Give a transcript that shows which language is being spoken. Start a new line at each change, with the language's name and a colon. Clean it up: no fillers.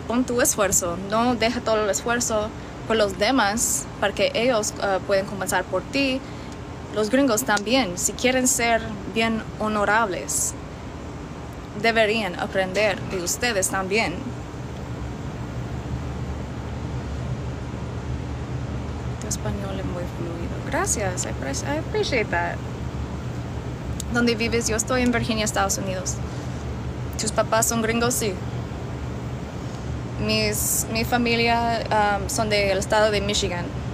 Spanish: Pon tu esfuerzo, no deja todo el esfuerzo por los demás, para que ellos puedan compensar por ti. Los gringos también, si quieren ser bien honorables, deberían aprender de ustedes también. Tu español es muy fluido.
English: Gracias, I appreciate that.
Spanish: ¿Dónde vives? Yo estoy en Virginia, Estados Unidos. ¿Tus papás son gringos? Sí. Mi familia son del estado de Michigan.